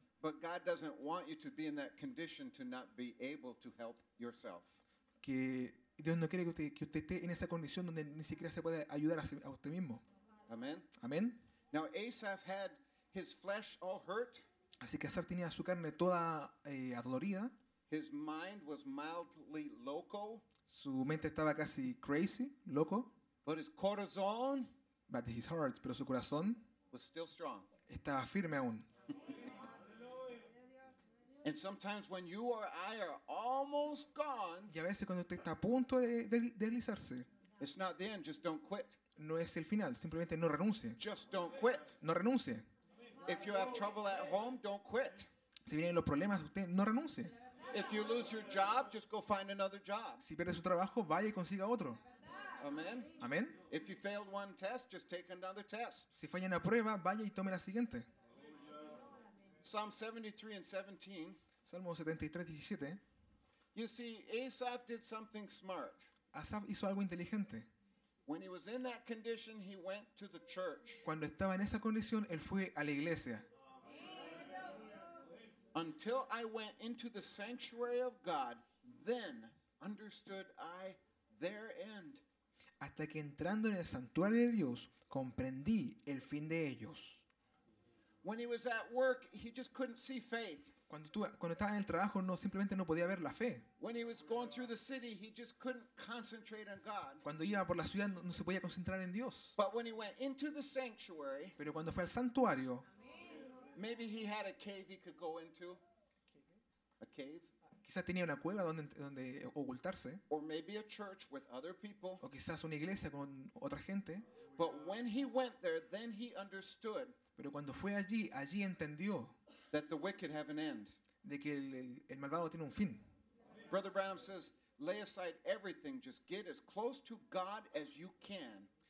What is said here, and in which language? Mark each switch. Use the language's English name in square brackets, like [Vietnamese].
[English] But God doesn't want you to be in that condition to not be able to help yourself. [Spanish] Que Dios no quiere que usted esté en esa condición donde ni siquiera se puede ayudar a usted mismo. Amen. Amen. [English] Now Asaph had his flesh all hurt. [Spanish] Así que Asaph tenía su carne toda adolorida. [English] His mind was mildly loco. [Spanish] Su mente estaba casi crazy, loco. [English] But his corazón. But his heart, [Spanish] pero su corazón. [English] Was still strong. [Spanish] Estaba firme aún. [English] And sometimes when you or I are almost gone, [Spanish] y a veces cuando usted está a punto de deslizarse, [English] it's not the end, just don't quit. [Spanish] No es el final, simplemente no renuncie. [English] Just don't quit. [Spanish] No renuncie. [English] If you have trouble at home, don't quit. [Spanish] Si vienen los problemas, usted no renuncie. [English] If you lose your job, just go find another job. [Spanish] Si pierde su trabajo, vaya y consiga otro. Amen. Amen. [English] If you failed one test, just take another test. [Spanish] Si falla una prueba, vaya y tome la siguiente. [English] Psalm 73 and 17. [Spanish] Salmo 73:17. [English] You see, Asaph did something smart. [Spanish] Asaph hizo algo inteligente. [English] When he was in that condition, he went to the church. [Spanish] Cuando estaba en esa condición, él fue a la iglesia. [English] Until I went into the sanctuary of God, then understood I their end. [Spanish] Hasta que entrando en el santuario de Dios, comprendí el fin de ellos. [English] When he was at work, he just couldn't see faith. [Spanish] Cuando estaba en el trabajo, no, simplemente no podía ver la fe. [English] When he was going through the city, he just couldn't concentrate on God. [Spanish] Cuando iba por la ciudad, no se podía concentrar en Dios. [English] But when he went into the sanctuary, [Spanish] pero cuando fue al santuario, [English] maybe he had a cave he could go into. A cave. [Spanish] Quizás tenía una cueva donde ocultarse. [English] Or maybe a church with other people. [Spanish] O quizás una iglesia con otra gente. [English] But when he went there, then he understood. [Spanish] Pero cuando fue allí entendió [English] that the wicked have an end. [Spanish] De que el malvado tiene un fin. [English] Brother Branham says, lay aside everything, just get as close to God as you can.